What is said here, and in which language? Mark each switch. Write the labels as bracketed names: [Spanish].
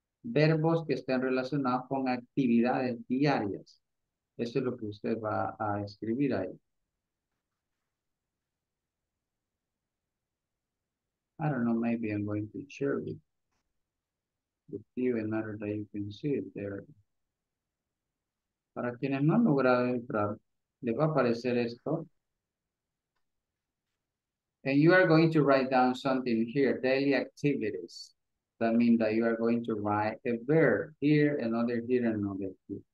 [Spanish] Verbos que estén relacionados con actividades diarias. Eso es lo que usted va a escribir ahí. [English] I don't know, maybe I'm going to share it with you in order that you can see it there. [Spanish] Para quienes no han logrado entrar, les va a aparecer esto. [English] And you are going to write down something here, daily activities. That means that you are going to write a verb here, another here, and another here.